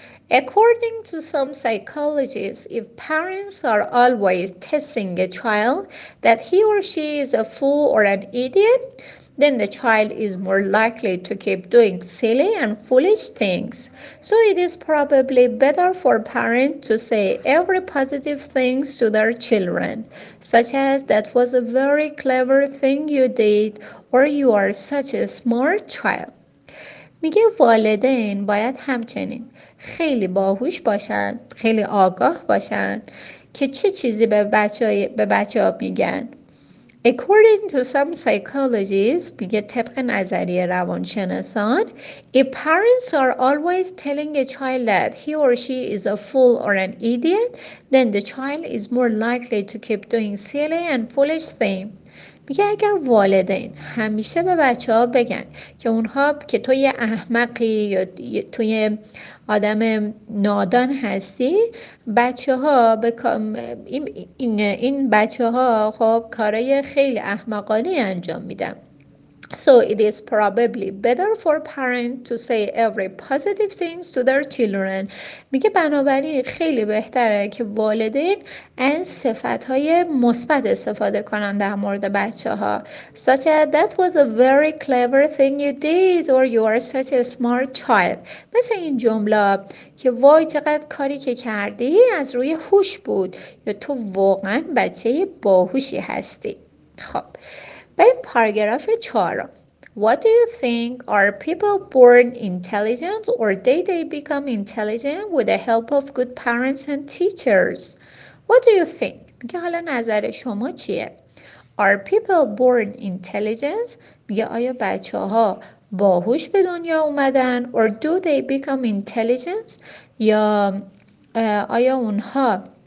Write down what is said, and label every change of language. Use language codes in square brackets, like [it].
[en] According to some psychologists, if parents are always testing a child that he or she is a fool or an idiot, then the child is more likely to keep doing silly and foolish things. So it is probably better for parents to say every positive thing to their children, such as that was a very clever thing you did, or you are such a smart child. [fa] میگه والدین باید همچنین خیلی باهوش باشن، خیلی آگاه باشن که چه چیزی به بچه ها میگن. [en] According to some psychologists, [fa] میگه طبق نظریه روانشناسان، [en] if parents are always telling a child that he or she is a fool or an idiot, then the child is more likely to keep doing silly and foolish things. [fa] میگه اگر والدین همیشه به بچه ها بگن که اونها که تو یه احمقی یا تو یه آدم نادان هستی، بچه ها این بچه ها خب کارای خیلی احمقانه انجام میدن. [en] So it is probably better for parents to say every positive things to their children. [fa] میگه بنابراین خیلی بهتره که والدین از صفتهای مثبت استفاده کنن در مورد بچه ها. [en] Such as that was a very clever thing you did, or you are such a smart child. [fa] مثل این جمله که وای چقدر کاری که کردی از روی هوش بود، یا تو واقعا بچه باهوشی هستی. خب بریم پاراگراف 4. [en] What do you think? Are people born intelligent or did they become intelligent with the help of good parents and teachers? What do you think? [fa] میگه حالا نظر شما چیه؟ [en] Are people born intelligent؟ [fa] میگه آیا بچه ها باهوش به دنیا اومدن؟ [en] Or do they become intelligent؟ [fa] یا آیا اونها